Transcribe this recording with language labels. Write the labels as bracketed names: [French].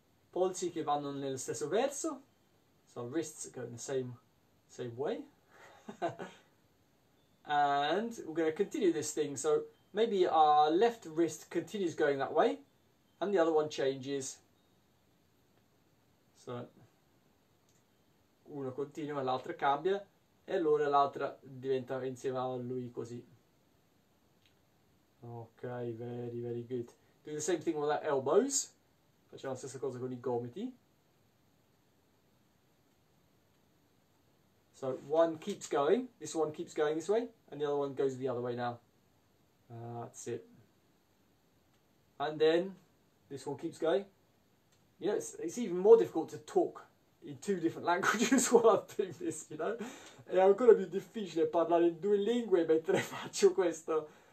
[Italian] Polsi che vanno nel stesso verso. [English] So wrists go in the same way. And we're going to continue this thing. So maybe our left wrist continues going that way and the other one changes. [Italian] So uno continua, l'altro cambia e allora l'altra diventa insieme a lui così. [English] Ok, very good. Do the same thing with our elbows. [Italian] Facciamo la stessa cosa con i gomiti. [English] So one keeps going, this one keeps going this way, and the other one goes the other way now. That's it. And then this one keeps going. You know, it's even more difficult to talk in two different languages while I'm doing this, you know? [Italian] È ancora più difficile parlare in due lingue mentre faccio questo.